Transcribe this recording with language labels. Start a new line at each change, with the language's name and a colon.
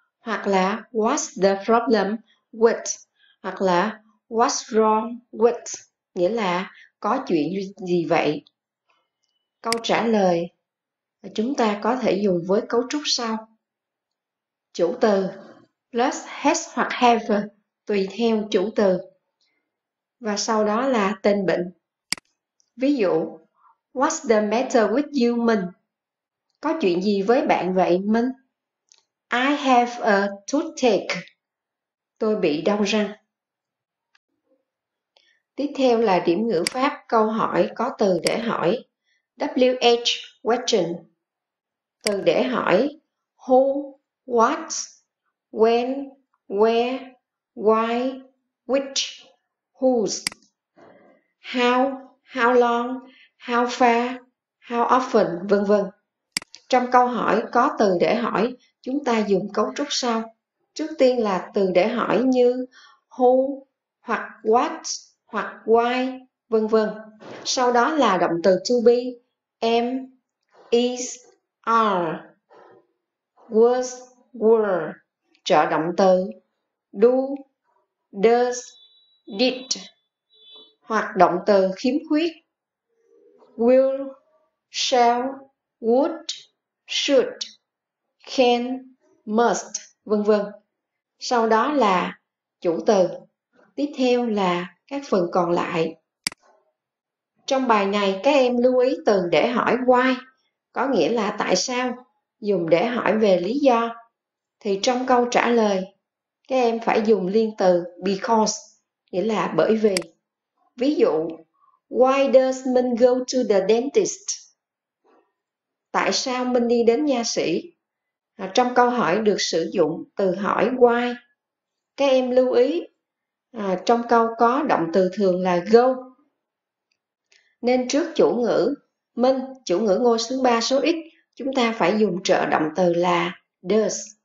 Vietnamese: Hoặc là
English: What's the problem with? Hoặc là What's wrong with?
Vietnamese: Nghĩa là có chuyện gì vậy? Câu trả lời chúng ta có thể dùng với cấu trúc sau. Chủ từ plus has hoặc have tùy theo chủ từ. Và sau đó là tên bệnh. Ví dụ,
English: What's the matter with you, Minh?
Vietnamese: Có chuyện gì với bạn vậy, Minh?
English: I have a toothache.
Vietnamese: Tôi bị đau răng. Tiếp theo là điểm ngữ pháp câu hỏi có từ để hỏi.
English: WH question.
Vietnamese: Từ để hỏi who, what, when, where, why, which, whose, how, long, how far, how often, vân vân. Trong câu hỏi có từ để hỏi, chúng ta dùng cấu trúc sau. Trước tiên là từ để hỏi như who, hoặc what, hoặc why, vân vân. Sau đó là động từ to be, am, is, are, was, were, trợ động từ do, does, did, hoặc động từ khiếm khuyết will, shall, would, should, can, must, vân vân. Sau đó là chủ từ. Tiếp theo là các phần còn lại. Trong bài này, các em lưu ý từ để hỏi why, có nghĩa là tại sao, dùng để hỏi về lý do. Thì trong câu trả lời, các em phải dùng liên từ because, nghĩa là bởi vì. Ví dụ,
English: why does Minh go to the dentist?
Vietnamese: Tại sao Minh đi đến nha sĩ? Trong câu hỏi được sử dụng từ hỏi why. Các em lưu ý, trong câu có động từ thường là go. Nên trước chủ ngữ Minh, chủ ngữ ngôi thứ ba số ít, chúng ta phải dùng trợ động từ là does.